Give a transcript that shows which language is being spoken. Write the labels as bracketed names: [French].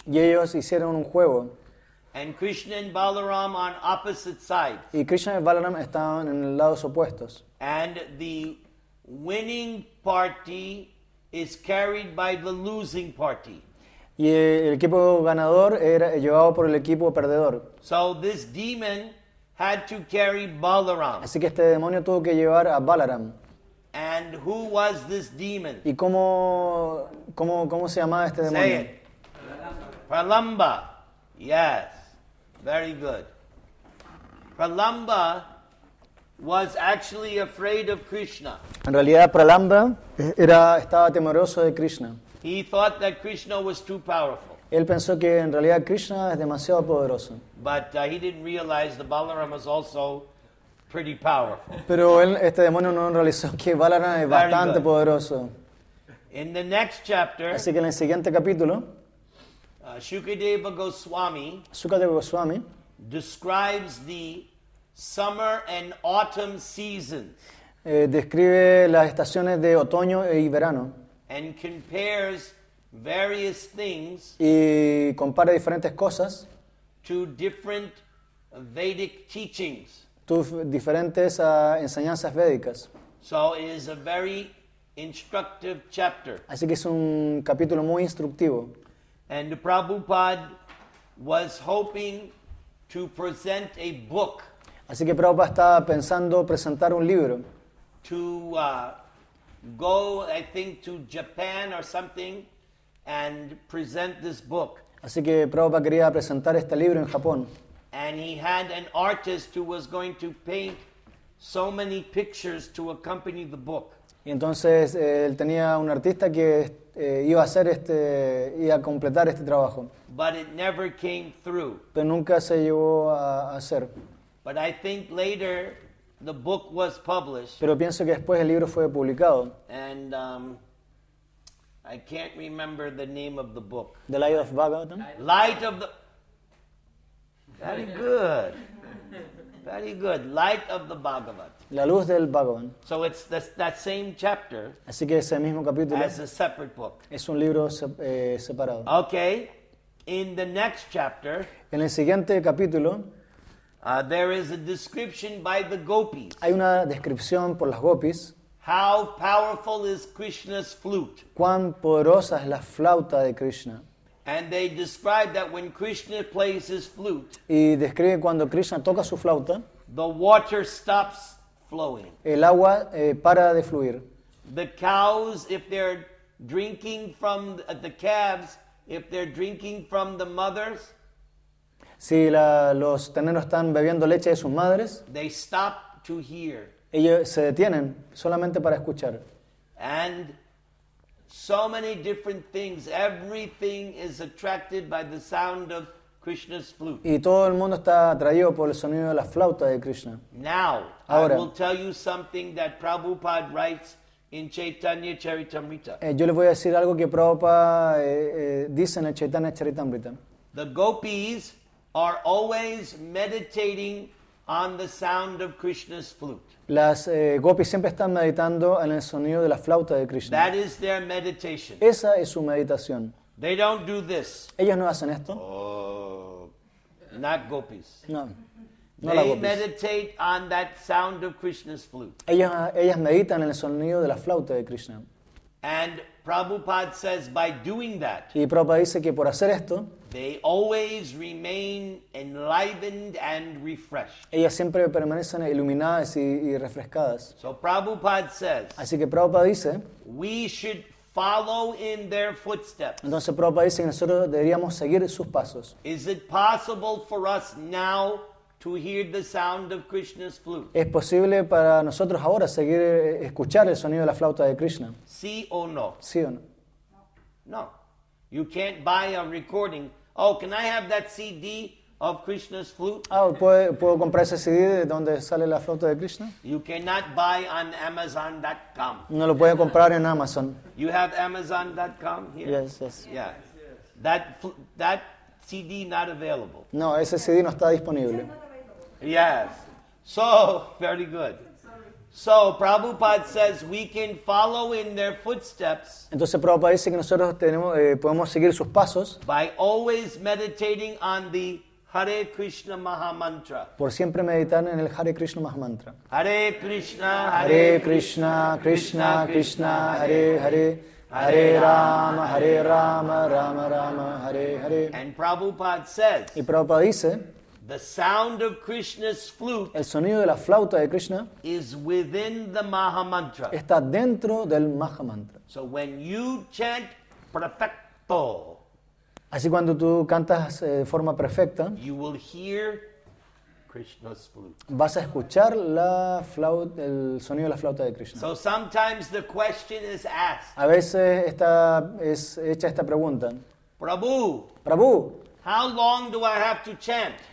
[Spanish] Y ellos hicieron un juego. [English] And Krishna and Balaram on opposite sides. [Spanish] Y Krishna y Balaram estaban en lados opuestos. [English] And the winning party is carried by the losing party. [Spanish] Y el equipo ganador era llevado por el equipo perdedor. [English] So this demon had to carry Balaram. [Spanish] Así que este demonio tuvo que llevar a Balaram. [English] And who was this demon? [Spanish] ¿Y cómo se llamaba este demonio? [English] Say it. Pralamba. Yes. Very good. Pralamba was actually afraid of Krishna. [Spanish] En realidad, Pralamba estaba temeroso de Krishna. [English] He thought that Krishna was too powerful. [Spanish] Él pensó que en realidad Krishna es demasiado poderoso. [English] But he didn't realize that Balaram was also pretty powerful. [Spanish] Pero este demonio no realizó que Balaram es bastante poderoso. [English] In the next chapter, [Spanish] así que en el siguiente capítulo, [English] Shukadeva Goswami describes the summer and autumn seasons. [Spanish] Describe las estaciones de otoño y verano. [English] And compares various things. [Spanish] Y compara diferentes cosas. [English] To different Vedic teachings. [Spanish] Diferentes enseñanzas védicas. [English] So it is a very instructive chapter. [Spanish] Así que es un capítulo muy instructivo. [English] And Prabhupada was hoping to present a book. [Spanish] Así que Prabhupada estaba pensando presentar un libro. [English] To go, I think, to Japan or something and present this book. [Spanish] Así que Prabhupada quería presentar este libro en Japón. [English] And he had an artist who was going to paint so many pictures to accompany the book. [Spanish] Y entonces él tenía un artista que iba a completar este trabajo. [English] But it never came through. [Spanish] Pero nunca se llevó a hacer. [English] But I think later the book was published. [Spanish] Pero pienso que después el libro fue publicado. [English] And I can't remember the name of the book. The Light of Bhagavatam? Light of the... Very good. Very good. Light of the Bhagavat. [Spanish] La luz del Bhagavan. [English] So it's that same chapter. [Spanish] Así que ese mismo capítulo. [English] As a separate book. [Spanish] Es un libro separado. [English] Okay. In the next chapter. [Spanish] En el siguiente capítulo. [English] There is a description by the gopis. [Spanish] Hay una descripción por las gopis. [English] How powerful is Krishna's flute? [Spanish] Cuán poderosa es la flauta de Krishna. [English] And they describe that when Krishna plays his flute, [Spanish] y describe cuando Krishna toca su flauta, [English] the water stops flowing. [Spanish] El agua para de fluir. [English] The cows, if they're drinking from the calves, if they're drinking from the mothers, [Spanish] si los terneros están bebiendo leche de sus madres, [English] they stop to hear. [Spanish] Ellos se detienen solamente para escuchar. [English] And so many different things. Everything is attracted by the sound of Krishna's flute. [Spanish] Y todo el mundo está atraído por el sonido de la flauta de Krishna. [English] Now, [Spanish] ahora, [English] I will tell you something that Prabhupada writes in Chaitanya Charitamrita. [Spanish] Yo les voy a decir algo que Prabhupada dice en el Chaitanya Charitamrita. [English] The gopis are always meditating on the sound of Krishna's flute. [Spanish] Las gopis siempre están meditando en el sonido de la flauta de Krishna. [English] That is their meditation. [Spanish] Esa es su meditación. [English] They don't do this. [Spanish] Ellos no hacen esto. [English] Oh, not gopis. [Spanish] No [English] they [Spanish] las gopis. [English] Meditate on that sound of Krishna's flute. [Spanish] Ellas meditan en el sonido de la flauta de Krishna. [English] And Prabhupada says by doing that, [Spanish] y Prabhupada dice que por hacer esto, [English] they always remain enlivened and refreshed. [Spanish] Ellas siempre permanecen iluminadas y refrescadas. [English] So Prabhupada says, [Spanish] así que Prabhupada dice, [English] we should follow in their footsteps. [Spanish] Entonces Prabhupada dice que nosotros deberíamos seguir sus pasos. [English] Is it possible for us now to hear the sound of Krishna's flute. [Spanish] ¿Es posible para nosotros ahora seguir escuchar el sonido de la flauta de Krishna? Sí o no. Sí o no. No. [English] You can't buy a recording. Oh, can I have that CD of Krishna's flute? [Spanish] Ah, ¿puedo comprar ese CD de donde sale la flauta de Krishna? [English] You cannot buy on Amazon.com. [Spanish] No lo puedes comprar en Amazon. [English] You have Amazon.com here? Yes, yes. Yeah. That CD not available. [Spanish] No, ese CD no está disponible. [English] Yes. So, very good. So, Prabhupada says we can follow in their footsteps. [Spanish] Entonces Prabhupada dice que nosotros tenemos podemos seguir sus pasos. [English] By always meditating on the Hare Krishna Mahamantra. [Spanish] Por siempre meditar en el Hare Krishna Mahamantra. [Sanskrit] Hare Krishna, Hare Krishna, Krishna Krishna, Hare Hare. Hare Rama, Hare Rama, Rama Rama, Hare Hare. [English] And Prabhupada says, [Spanish] y Prabhupada dice, [English] the sound of Krishna's flute, [Spanish] el sonido de la flauta de Krishna, [English] is within the Maha Mantra. [Spanish] Está dentro del Maha Mantra. [English] So when you chant perfecto, [Spanish] así cuando tú cantas de forma perfecta, [English] you will hear Krishna's flute. [Spanish] Vas a escuchar la flauta, el sonido de la flauta de Krishna. [English] So sometimes the question is asked. [Spanish] A veces es hecha esta pregunta. [English] Prabhu. [Spanish] Prabhu. [English] How long do I have to chant?